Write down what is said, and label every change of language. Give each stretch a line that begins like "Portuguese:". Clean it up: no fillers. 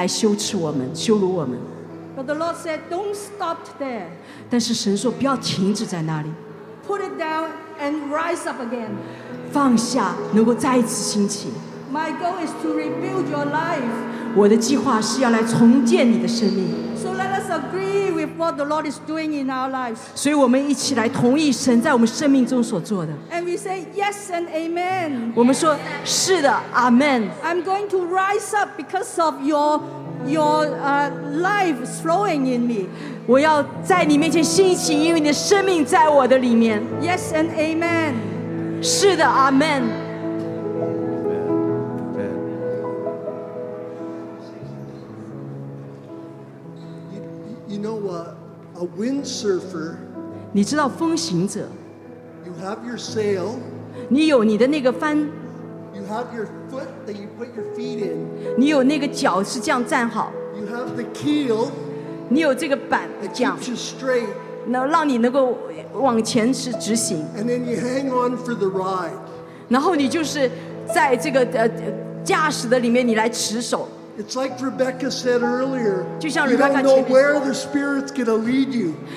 Chinese: 好像仇敌要用我们的破碎来羞耻我们，羞辱我们。
English: But the Lord said, "Don't stop there."
Chinese: 但是神说，不要停止在那里。
English: Put it down and rise up again.
Chinese: 放下，能够再次兴起。
English: My goal is to rebuild your life.
Chinese: 我的计划是要来重建你的生命。
English: So let us agree with what the Lord is doing in our lives.
Chinese: 所以我们一起来同意神在我们生命中所做的。
English: And we say yes and amen.
Chinese: 我们说是的， amen.
English: I'm going to rise up because of your life flowing in me.
Chinese: 我要在你面前兴起， 因为你的生命在我的里面。
English: Yes and amen.
Chinese: 是的， amen.
English: You know what? A windsurfer.
Chinese: 你知道风行者,
English: you have your sail.
Chinese: 你有你的那个帆,
English: you have your foot that you put your feet in.
Chinese: 你有那个脚是这样站好,
English: you have the keel.
Chinese: 你有这个板,
English: that keeps you straight.
Chinese: 能让你能够往前直行,
English: and then you hang on for the ride.
Chinese: 然后你就是在这个, 驾驶的里面, 你来持守。
English: It's like Rebecca said earlier.
Chinese: 就像Rebecca,
English: you don't know where the Spirit's going to lead you.